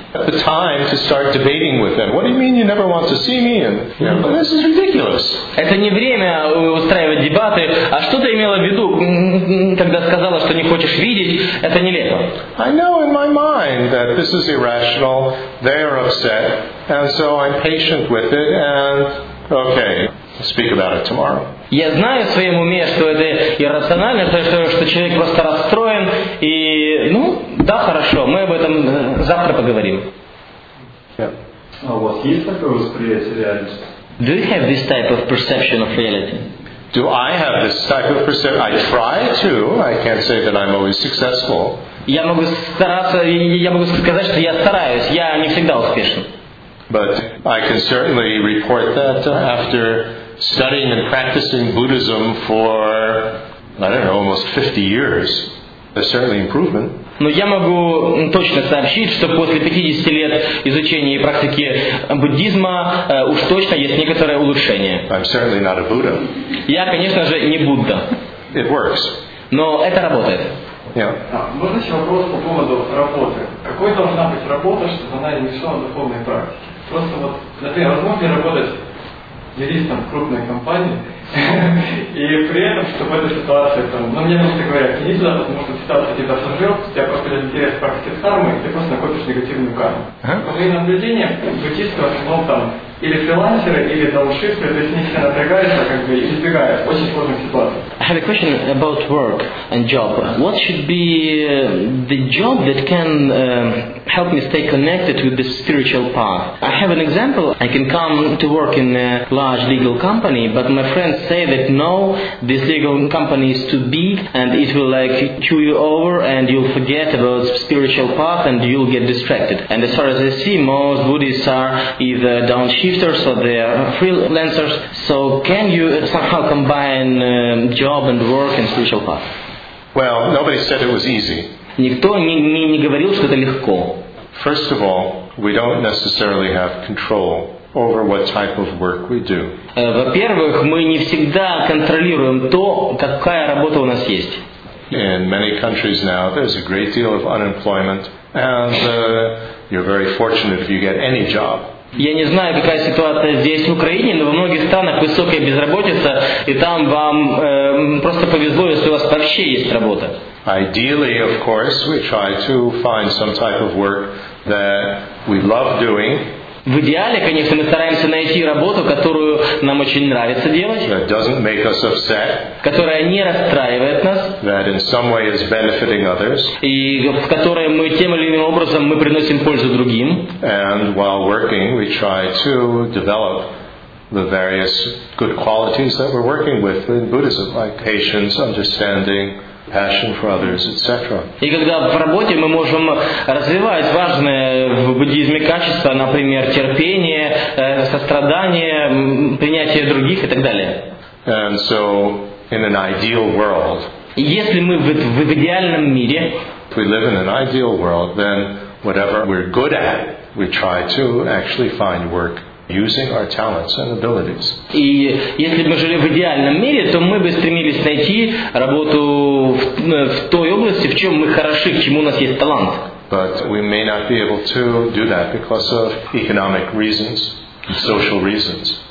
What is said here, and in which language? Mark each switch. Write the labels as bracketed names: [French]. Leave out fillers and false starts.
[English] At the time to start debating with them. What do you mean you never want to see me? And, well, this is ridiculous. [Russian] Это не время устраивать дебаты. А что ты имела в виду, когда сказала, что не хочешь видеть? Это нелепо. [English] I know in my mind that this is irrational. They are upset, and so I'm patient with it. And okay, speak about it tomorrow. [Russian] Я знаю в своем уме, что это иррационально, что человек просто расстроен, и, ну, да, хорошо, мы об этом завтра поговорим. А у вас есть такое восприятие реальности? [English] Do you have this type of perception of reality? Do I have this type of perception? I try to. I can't say that I'm always successful. [Russian] Я могу стараться, я могу сказать, что я стараюсь, я не всегда успешен. [English] But I can certainly report that after studying and practicing Buddhism for, I don't know, almost 50 years, there's certainly improvement. [Russian] Но я могу точно сообщить, что после 50 лет изучения и практики буддизма уж точно есть некоторое улучшение. [English] I'm certainly not a Buddha. [Russian] Я, конечно же, не Будда. [English] It works. [Russian] Но это работает. [English] Yeah. [Russian] Можно еще вопрос по поводу работы? Какой должна быть работа, чтобы она не мешала духовной практике? Просто вот, например, возможно ли работать юристом в крупной компании, и при этом, что в этой ситуации, там, ну, мне просто говорят, не знаю, потому что ситуация тебя сожрет, у тебя просто интерес практики кармы, и ты просто накопишь негативную карму. По моим наблюдениям, буддисты в основном там или фрилансеры, или даунширы, то есть они все напрягаются, как бы избегают очень сложных ситуаций. [English] I have a question about work and job. What should be the job that can help me stay connected with the spiritual path? I have an example. I can come to work in a large legal company, but my friends say that no, this legal company is too big and it will like chew you over and you'll forget about spiritual path and you'll get distracted. And as far as I see, most Buddhists are either downshifters or they are freelancers. So can you somehow combine job and work and spiritual path? Well, nobody said it was easy. [Russian] Никто не говорил, что это легко. [English] First of all, we don't necessarily have control over what type of work we do. [Russian] Во-первых, мы не всегда контролируем то, какая работа у нас есть. [English] In many countries now, there's a great deal of unemployment, and you're very fortunate if you get any job. [Russian] Я не знаю, какая ситуация здесь в Украине, но во многих странах высокая безработица, и там вам просто повезло, если у вас вообще есть работа. [English] Ideally, of course, we try to find some type of work that we love doing. [Russian] В идеале, конечно, мы стараемся найти работу, которую нам очень нравится делать. [English] That doesn't make us upset. [Russian] Которая не расстраивает нас. [English] That in some way is benefiting others. [Russian] И в которой мы тем или иным образом мы приносим пользу другим. [English] And while working, we try to develop the various good qualities that we're working with in Buddhism, like patience, understanding, passion for others, etc. [Russian] И когда в работе мы можем развивать важные в буддизме качества, например, терпение, сострадание, принятие других и так далее. [English] And so, in an ideal world, [Russian] если мы в идеальном мире, [English] if we live in an ideal world, then whatever we're good at, we try to actually find work using our talents and abilities. [Russian] И если бы мы жили в идеальном мире, то мы бы стремились найти работу в той области, в чем мы хороши, к чему у нас есть талант. [English] But we may not be able to do that because of economic reasons, social reasons.